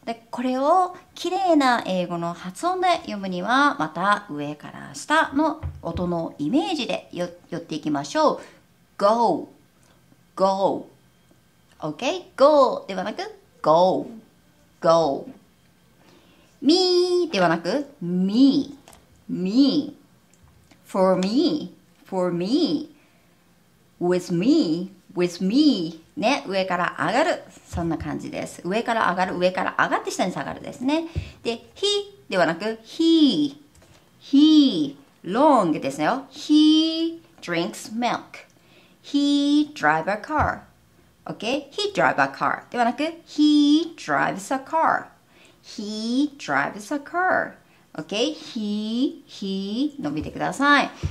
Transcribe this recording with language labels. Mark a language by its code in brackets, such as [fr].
[ja] で、これを綺麗な英語の発音で読むには、また上から下の音のイメージで寄っていきましょう。 [en] go, go, okay, go [ja] ではなく [en] go, go, me ではなく me, me, for me, for me, with me, with me。 [ja] ね、上から上がる、そんな感じです。上から上がる、上から上がって下に下がるですね。 [en] で、 he [ja] ではなく [en] he、 he、 long ですよ。 he drinks milk、 he drive a car、 OK、 he drive a car [ja] ではなく [en] he drives a car、 he drives a car、 OK、 he、 he [ja] 伸びてください。